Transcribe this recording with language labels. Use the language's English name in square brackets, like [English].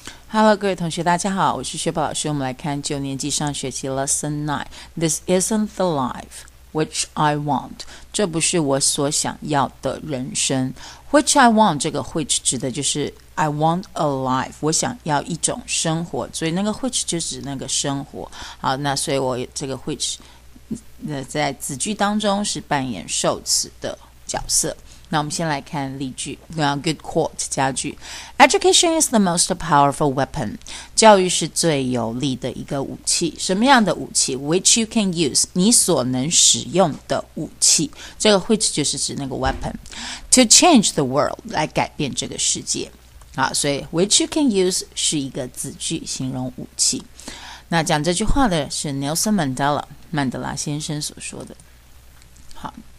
[Chinese] Hello, 各位同学，大家好，我是薛宝老师。我们来看九年级上学期 Lesson 9. [English] This isn't the life which I want. [Chinese] 这不是我所想要的人生。 [English] Which I want, [Chinese] 这个 which 指的就是 [English] I want a life, [Chinese] 我想要一种生活。所以那个 which 就指那个生活。好，那所以我这个 which 在子句当中是扮演受词的角色。那我们先来看例句 [English] good quote [Chinese] 佳句 [English] Education is the most powerful weapon [Chinese] 教育是最有力的一个武器什么样的武器 [English] Which you can use [Chinese] 你所能使用的武器这个 which 就是指那个 weapon [English] To change the world [Chinese] 来改变这个世界好所以 [English] which you can use [Chinese] 是一个子句形容武器那讲这句话的是 Nelson Mandela 曼德拉先生所说的好